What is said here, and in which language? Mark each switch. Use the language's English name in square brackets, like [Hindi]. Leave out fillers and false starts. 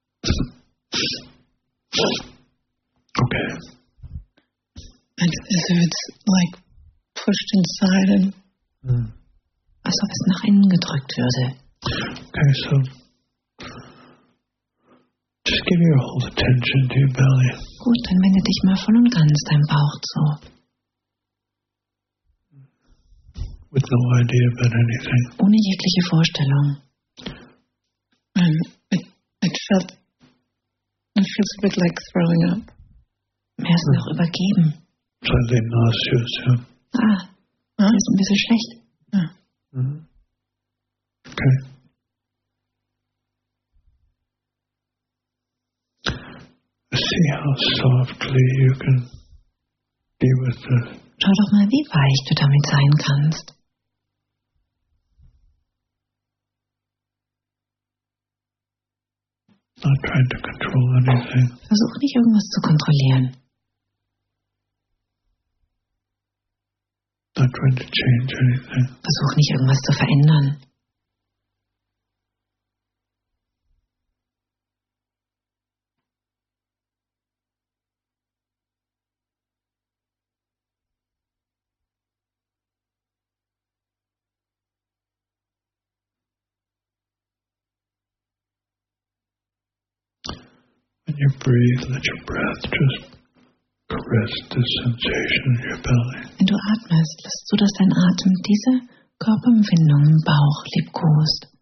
[English] Okay. And as if it's like pushed inside and [German] als ob es nach innen gedrückt würde. [English] Okay, so just give your whole attention to your belly. [German] Gut, dann wende dich mal voll und ganz deinem Bauch zu. [English] With no idea about anything. [German] Ohne jegliche Vorstellung. [English] It feels a bit like throwing up. [German] Mehr ist noch übergeben. [English] Slightly nauseous, yeah. [German] Das ist ein bisschen schlecht. [English] Okay. See how softly you can be with this. [German] Schau doch mal, wie weich du damit sein kannst. [English] Not trying to control anything. [German] Versuch nicht, irgendwas zu kontrollieren. [English] Not trying to change anything. [German] Versuch nicht, irgendwas zu verändern. [English] You breathe, let your breath just caress the sensation in your belly. [German] Wenn du atmest, lässt du, dass dein Atem diese Körperempfindung im Bauch liebkost.